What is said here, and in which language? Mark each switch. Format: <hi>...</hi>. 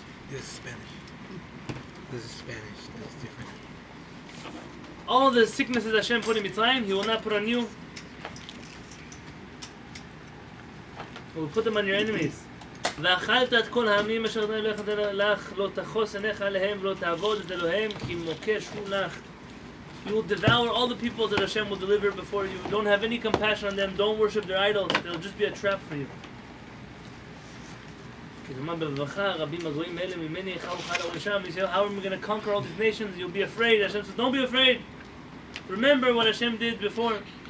<en>This is Spanish. That's different. All the sicknesses Hashem put in Mitzrayim, He will not put on you. We'll put them on your enemies.</en> <he>ואכלת את כל העמים אשר אדוני אלוהיך נתן לך, לא תחוס עיניך עליהם ולא תעבוד את אלוהיהם, כי מוקש הוא לך.</he> <en>You will devour all the people that Hashem will deliver before you. Don't have any compassion on them. Don't worship their idols. They'll just be a trap for you. How am I going to conquer all these nations? You'll be afraid. Hashem says, don't be afraid. Remember what Hashem did before.</en>